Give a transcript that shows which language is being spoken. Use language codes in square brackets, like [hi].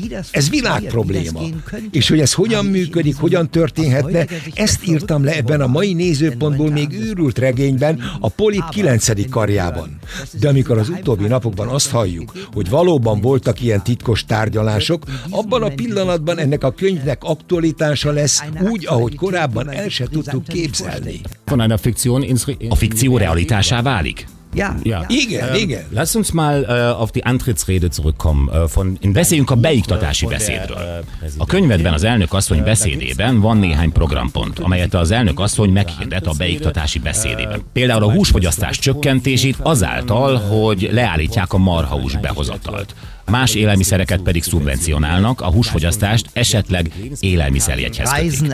[hu] Ez világprobléma. És hogy ez hogyan működik, hogyan történhetne, ezt írtam le ebben a mai nézőpontból még őrült regényben, a Polip 9. karjában. De amikor az utóbbi napokban azt halljuk, hogy valóban voltak ilyen titkos tárgyalások, abban a pillanatban ennek a könyvnek aktualitása lesz úgy, ahogy korábban el se tudtuk képzelni. [de] Von einer Fiktion ins [hu] a fikció realitásá válik. Ja. Igen. [de] Lass uns mal auf die Antrittsrede zurückkommen. [hu] Beszéljünk a beiktatási beszédről. A könyvedben az elnök asszony beszédében van néhány programpont, amelyet az elnök asszony meghirdet a beiktatási beszédében. Például a húsfogyasztás csökkentését azáltal, hogy leállítják a marhahús behozatalt. Más élelmiszereket pedig szubvencionálnak, a húsfogyasztást esetleg élelmiszerjegyhez kötik.